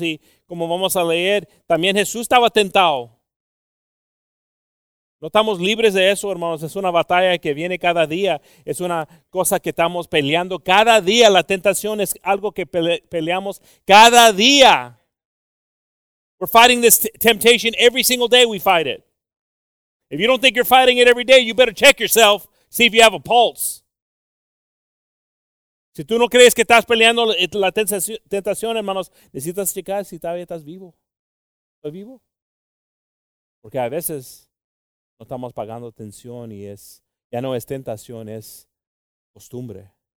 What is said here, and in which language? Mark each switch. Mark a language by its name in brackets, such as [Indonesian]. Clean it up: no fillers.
[Spanish] Y como vamos a leer, también Jesús estaba tentado. No estamos libres de eso, hermanos. Es una batalla que viene cada día. Es una cosa que estamos peleando cada día. La tentación es algo que peleamos cada día. [English] We're fighting this temptation every single day. We fight it. If you don't think you're fighting it every day, you better check yourself, see if you have a pulse. [Spanish] Si tú no crees que estás peleando la tentación, hermanos, necesitas checar si todavía estás vivo. ¿Estás vivo? Porque a veces no estamos pagando atención y es ya no es tentación, es costumbre.